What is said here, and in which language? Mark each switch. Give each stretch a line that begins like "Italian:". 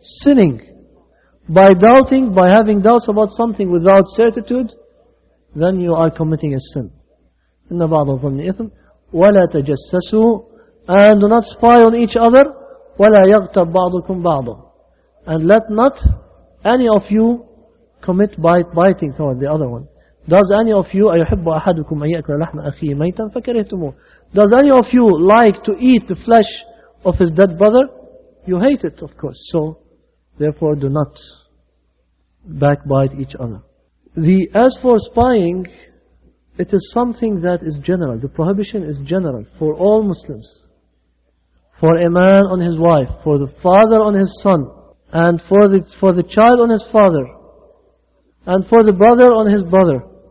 English: Sinning by doubting, by having doubts about something without certitude, then you are committing a sin.
Arabic: إِنَّ بَعْضَ الظَّنِّ إِثْمٍ. وَلَا تَجَسَّسُوا.
English: And do not spy on each other.
Arabic: وَلَا يَغْتَبْ بَعْضُكُمْ بَعْضًا.
English: And let not any of you commit biting toward the other one. Does any of you,
Arabic: أَيُحِبُّ أَحَدُكُمْ أَن يَأْكُلَ لَحْمَ أَخِيهِ مَيْتًا فَكَرِهْتُمُوهُ.
English: Does any of you like to eat the flesh of his dead brother? You hate it, of course. So, therefore, do not backbite each other. As for spying, it is something that is general. The prohibition is general for all Muslims. For a man on his wife, for the father on his son, and for the child on his father, and for the brother on his brother.